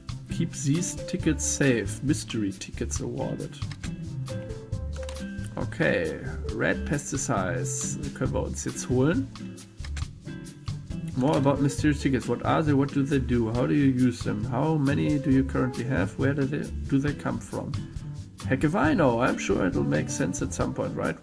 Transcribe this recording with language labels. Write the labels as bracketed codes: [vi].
[en] Keep these tickets safe. Mystery tickets awarded. Okay. [de] Red Pesticides können wir uns jetzt holen. [en] More about mysterious tickets. What are they? What do they do? How do you use them? How many do you currently have? Where do they come from? Heck if I know. I'm sure it'll make sense at some point, right?